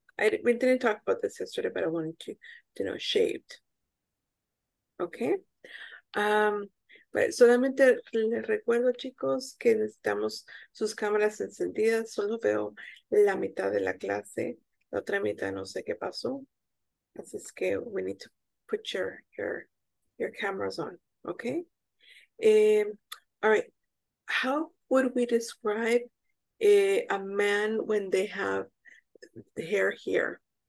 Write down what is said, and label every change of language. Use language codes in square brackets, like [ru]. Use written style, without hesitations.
[en] We didn't talk about this yesterday, but I wanted to know. Shaved. Okay. [es] Solamente les recuerdo, chicos, que necesitamos sus cámaras encendidas. Solo veo la mitad de la clase. La otra mitad no sé qué pasó. Así es que [en] we need to put your cameras on. Okay. All right. How would we describe a man when they have the hair here?